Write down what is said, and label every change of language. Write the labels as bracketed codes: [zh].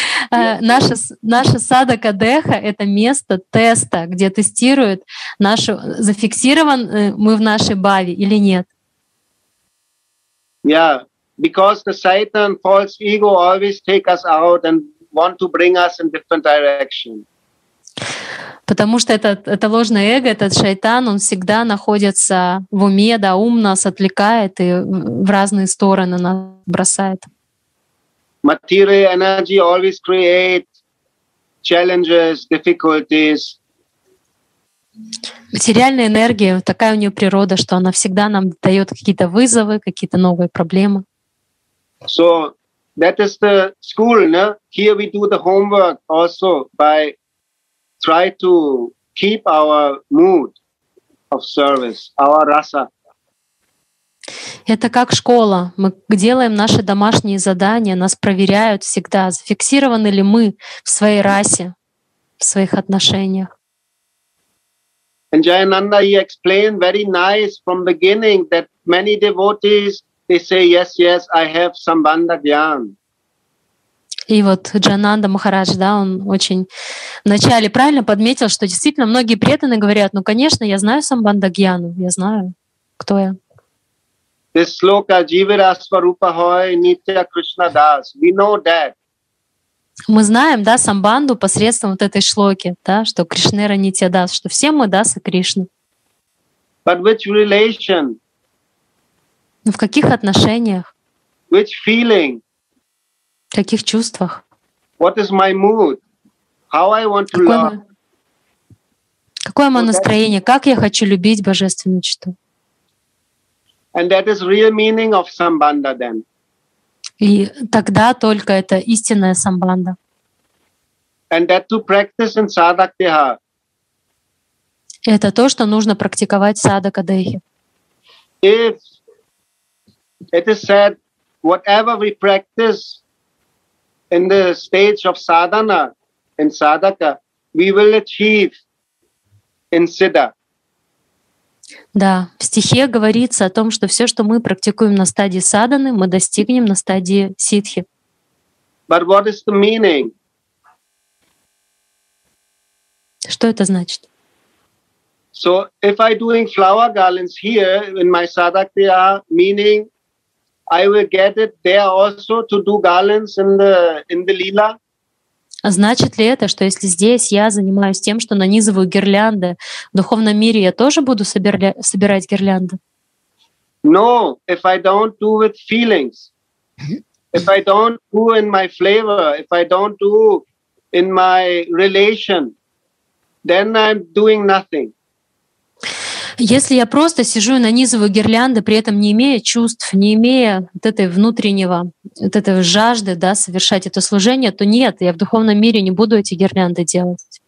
[ru] Наша садака деха — это место теста, где тестируют нашу зафиксирован мы в нашей бхаве или нет. [en] Yeah, because the Satan, false ego, always take us out and want to bring us in different direction. [ru] Потому что это ложное эго, этот шайтан, он всегда находится в уме, да, ум нас отвлекает и в разные стороны нас бросает. [en] material energy always create challenges, difficulties. [ru] Материальная энергия, такая у нее природа, что она всегда нам дает какие-то вызовы, какие-то новые проблемы. [en] So that is the school, no? Here we do the homework also by try to keep our mood of service, our rasa. [ru] Это как школа. Мы делаем наши домашние задания, нас проверяют всегда, зафиксированы ли мы в своей расе, в своих отношениях. [en] And Jayananda, he explained very nice from beginning that many devotees, they say, yes, yes, I have sambandha gyan. [ru] И вот Джананда Махарадж, да, он очень вначале правильно подметил, что действительно многие преданные говорят, ну, конечно, я знаю самбанда гьяну, я знаю, кто я. [en] This sloka, [bn] jivira svarupa hoy, nitya krishna das. [en] We know that. [ru] Мы знаем, да, самбанду посредством вот этой шлоки, да, что Кришнера нитья дас, что все мы дасы Кришны. [en] But which relation? [ru] Но в каких отношениях? [en] Which feeling? [ru] В каких чувствах? [en] What is my mood? How I want to love? [ru] Какое мое настроение? Как я хочу любить божественную чту? [en] And that is real meaning of sambandha then. [ru] И тогда только это истинная самбанда. [en] And that to practice in sadhak deha. [ru] Это то, что нужно практиковать в садака дехе. [en] If it is said, whatever we practice in the stage of sadhana, in sadhaka, we will achieve in siddha. [ru] Да, в стихе говорится о том, что все, что мы практикуем на стадии садханы, мы достигнем на стадии сиддхи. [en] But what is the meaning? [ru] Что это значит? [en] So, if I doing flower garlands here in my sadhaka, meaning I will get it there also to do garlands in the lila. [ru] А значит ли это, что если здесь я занимаюсь тем, что нанизываю гирлянды, в духовном мире я тоже буду собирать гирлянды? [en] No, if I don't do with feelings, if I don't do in my flavor, if I don't do in my relation, then I'm doing nothing. [ru] Если я просто сижу и нанизываю гирлянды, при этом не имея чувств, не имея вот этой внутреннего, вот этой жажды, да, совершать это служение, то нет, я в духовном мире не буду эти гирлянды делать.